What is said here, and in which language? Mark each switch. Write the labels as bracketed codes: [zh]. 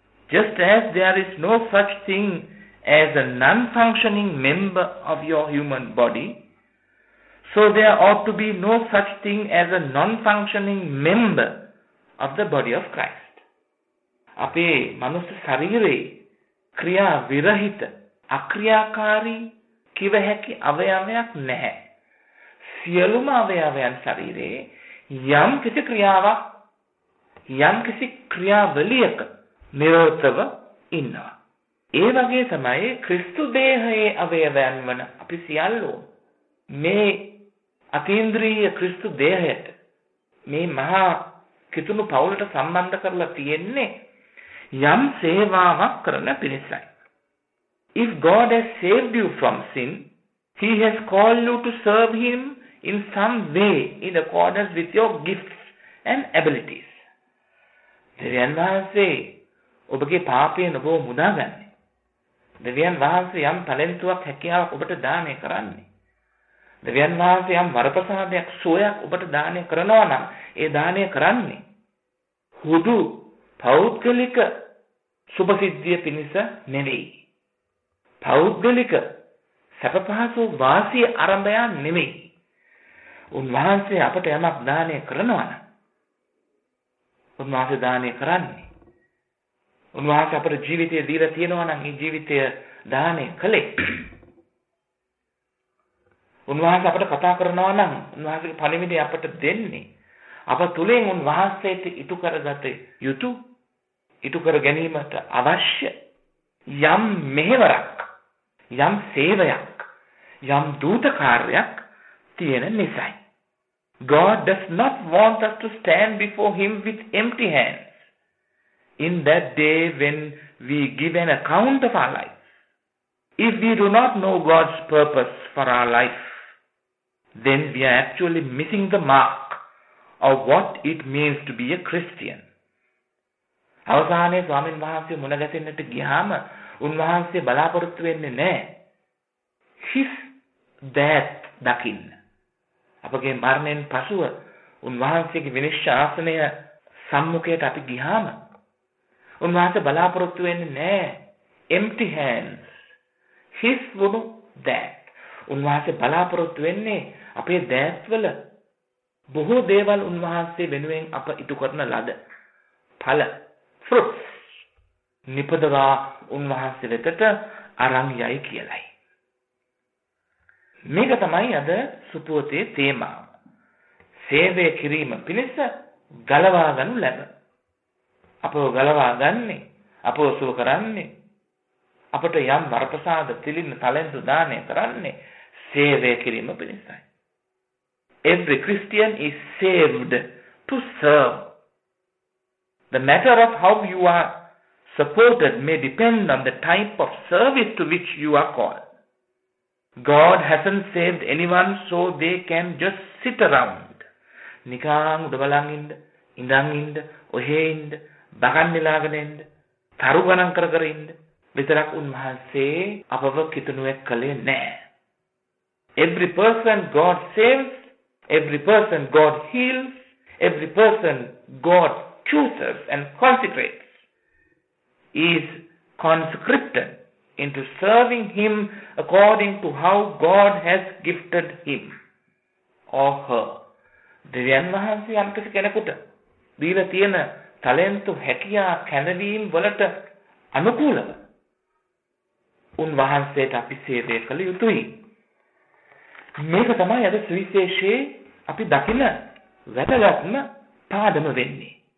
[en] Just as there is no such thing as a non-functioning member of your human body, so there ought to be no such thing as a non-functioning member of the body of Christ. [si] අපේ මනුස්ස ශරීරයේ ක්‍රියා විරහිත අක්‍රියාකාරී කිව හැකි අවයවයක් නැහැ. සියලුම අවයවයන් ශරීරයේ යම් කිසි ක්‍රියාවක් යම් කිසි ක්‍රියාවලියක නිරතව ඉන්නවා. ඒ වගේ තමයි ක්‍රිස්තු දේහයේ අවයවයන් වන අපි සියල්ලෝ මේ අතීන්ද්‍රීය ක්‍රිස්තු දේහයට, මේ මහා කිතුණු පවුලට සම්බන්ධ කරලා තියෙන්නේ යම් සේවාවක් කරන පිණිසයි. [en] If God has saved you from sin, He has called you to serve Him in some way in accordance with your gifts and abilities. [si] දෙවියන් වහන්සේ ඔබගේ පාපයෙන් ඔබව මුදාගන්නේ. දෙවියන් වහන්සේ යම් talentුවක් හැකියාවක් ඔබට දානය කරන්නේ. දෙවියන් වහන්සේ යම් වරප්‍රසාදයක් සෝයක් ඔබට දානය කරනවා නම් ඒ දානය කරන්නේ හුදු පෞද්ගලික සුභසිද්ධිය පිණිස නෙවෙයි. පෞද්ගලික සැපපහසු වාසිය ආරම්භයක් නෙවෙයි. උන්වහන්සේ අපට යමක් දානය කරනවා නම් උන්වහන්සේ දානය කරන්නේ. උන්වහන්සේ අපට ජීවිතය දීලා තියෙනවා නම් ඒ ජීවිතය දානය කළේ. උන්වහන්සේ අපට කතා කරනවා නම් උන්වහන්සේගේ පණිවිඩය අපට දෙන්නේ අප තුළින් උන්වහන්සේට ඉටු කරගත යුතු ඉටු කර ගැනීමට අවශ්‍ය යම් මෙහෙවරක් යම් සේවයක් යම් දූත කාර්යයක් තියෙන නිසායි. [en] God does not want us to stand before Him with empty hands in that day when we give an account of our life. If we do not know God's purpose for our life, then we are actually missing the mark of what it means to be a Christian. [si] අවසානයේ ස්වාමීන් වහන්සේ මුණ ගැසෙන්නට ගියාම උන්වහන්සේ බලාපොරොත්තු වෙන්නේ නැහැ [en] His death [si] දකින්න. අපගේ මරණයෙන් පසුව උන්වහන්සේගේ විනිශ්චය ආසනය සම්මුඛයට අපි ගියාම උන්වහන්සේ බලාපොරොත්තු වෙන්නේ නැහැ [en] empty hands His wounded death. [si] උන්වහන්සේ බලාපොරොත්තු වෙන්නේ අපේ දෑත්වල බොහෝ දේවල් උන්වහන්සේ වෙනුවෙන් අප ඉටු කරන ලද ඵල fruits නිපදවා උන්වහන්සේ වෙතට අරන් යයි කියලයි. මේක තමයි අද සුපුවතේ තේමාව. සේවය කිරීම පිණිස ගලවා ගන්න ලැබ. අපව ගලවා ගන්නේ අපව සුව කරන්නේ අපට යම් වරප්‍රසාද තිලින්න තලෙන්දු දානය කරන්නේ සේවය කිරීම පිණිසයි. [en] Every Christian is saved to serve. The matter of how you are supported may depend on the type of service to which you are called. God hasn't saved anyone so they can just sit around. [si] නිකං උඩබලන් ඉන්න, ඉඳන් ඉන්න, ඔහෙ ඉන්න, බකන් නෙලාගෙන ඉන්න, තරු ගණන් කර කර ඉන්න විතරක් උන්වහන්සේ අපව කිතුණුවෙක් කළේ නැහැ. [en] Every person God saves, every person God heals, every person God chooses and consecrates is conscripted into serving Him according to how God has gifted him or her. [si] දෙවියන් වහන්සේ යම්කිසි කෙනෙකුට දීලා තියෙන talentu හැකියා කැඳවීම වලට අනුකූලව උන්වහන්සේට අපි සේවය කළ යුතුයි. මේක තමයි අද සුවිශේෂයේ අපි දකින වැදගත්ම පාඩම වෙන්නේ.